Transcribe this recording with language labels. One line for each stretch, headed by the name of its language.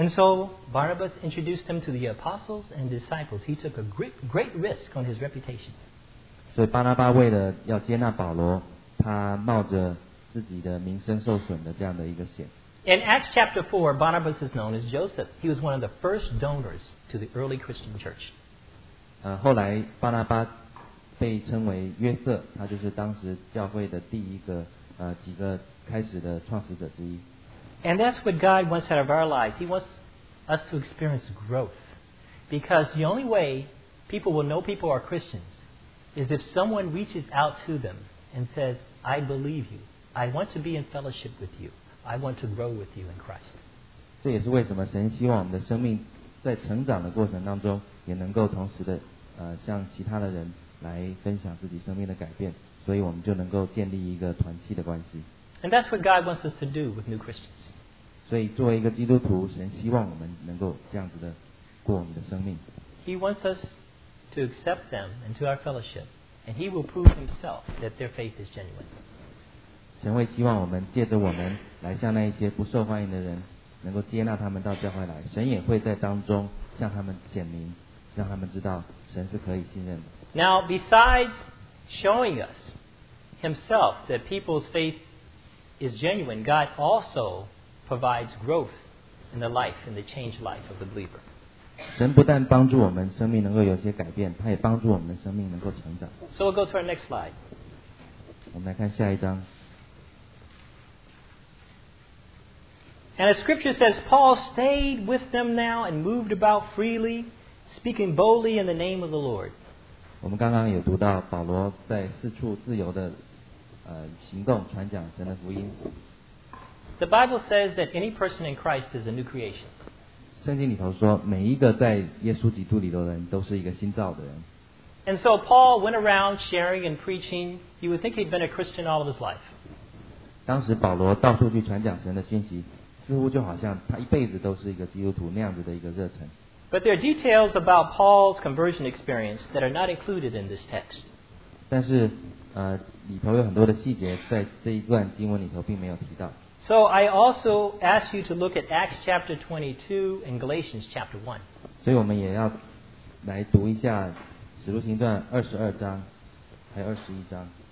English: And so Barnabas introduced him to the apostles and disciples. He took a great risk on his reputation.
Chinese: 所以巴拿巴为了要接纳保罗，他冒着自己的名声受损的这样的一个险。
English: In Acts chapter 4, Barnabas is known as Joseph. He was one of the first donors to the early Christian church.
Chinese: 后来巴拿巴被称为约瑟，他就是当时教会的第一个几个开始的创始者之一。
English: And that's what God wants out of our lives. He wants us to experience growth. Because the only way people will know people are Christians is if someone reaches out to them and says, "I believe you. I want to be in fellowship with you. I want to grow with you in Christ."
Chinese: 这也是为什么神希望我们的生命在成长的过程当中也能够同时的向其他的人来分享自己生命的改变，所以我们就能够建立一个团契的关系。
English: And that's what God wants us to do with new Christians.
Chinese: 所以作为一个基督徒，神希望我们能够这样子的过我们的生命。
English: He wants us to accept them into our fellowship, and He will prove Himself that their faith is genuine.
Chinese: 神会希望我们借着我们来向那一些不受欢迎的人，能够接纳他们到教会来。神也会在当中向他们显明，让他们知道神是可以信任的。
English: Now, besides showing us Himself that people's faith is genuine, God also provides growth in the life, in the changed life of the believer.
Chinese: 神不但帮助我们生命能够有些改变，他也帮助我们的生命能够成长。
English: So we'll go to our next slide.
Chinese: 我们来看下一章。
English: And the scripture says, Paul stayed with them now and moved about freely, speaking boldly in the name of the Lord.
Chinese: 我们刚刚也读到保罗在四处自由的行动，传讲神的福音。
English: The Bible says that any person in Christ is a new creation.
Chinese: 圣经里头说，每一个在耶稣基督里头的人都是一个新造的人。
English: And so Paul went around sharing and preaching. You would think he'd been a Christian all of his life.
Chinese: 当时保罗到处去传讲神的讯息，似乎就好像他一辈子都是一个基督徒那样子的一个热忱。
English: But there are details about Paul's conversion experience that are not included in this text.
Chinese: 但是里头有很多的细节在这一段经文里头并没有提到。
English: So I also ask you to look at Acts chapter 22 and Galatians chapter 1.
Chinese: 所以我们也要来读一下《使徒行传》22章还有21章。